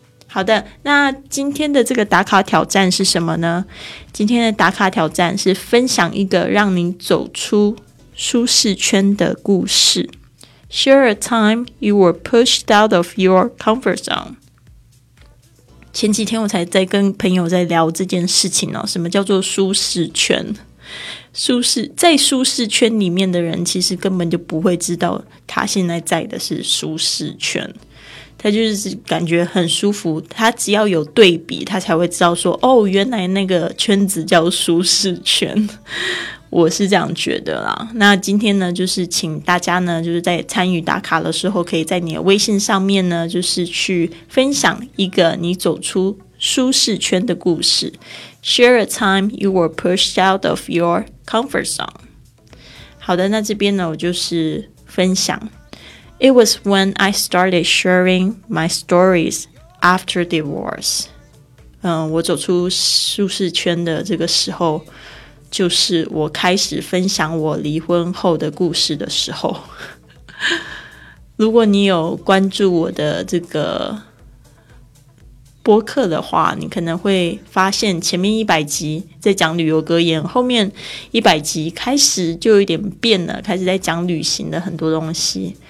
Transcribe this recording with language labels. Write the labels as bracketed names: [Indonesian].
[Chinese] 好的，那今天的这个打卡挑战是什么呢？今天的打卡挑战是分享一个让你走出舒适圈的故事。 [English] Share a time you were pushed out of your comfort zone。 [Chinese] 前几天我才在跟朋友在聊这件事情哦，什么叫做舒适圈？舒适，在舒适圈里面的人其实根本就不会知道他现在在的是舒适圈，他就是感觉很舒服，他只要有对比他才会知道说，哦，原来那个圈子叫舒适圈。我是这样觉得啦。那今天呢，就是请大家呢，就是在参与打卡的时候，可以在你的微信上面呢，就是去分享一个你走出舒适圈的故事。 [English] Share a time you were pushed out of your comfort zone. [Chinese] 好的，那这边呢，我就是分享。 [English] It was when I started sharing my stories after divorce. [Chinese] 我走出舒适圈的这个时候，就是我开始分享我离婚后的故事的时候。如果你有关注我的这个播客的话，你可能会发现前面100集在讲旅游格言，后面100集开始就有点变了，开始在讲旅行的很多东西。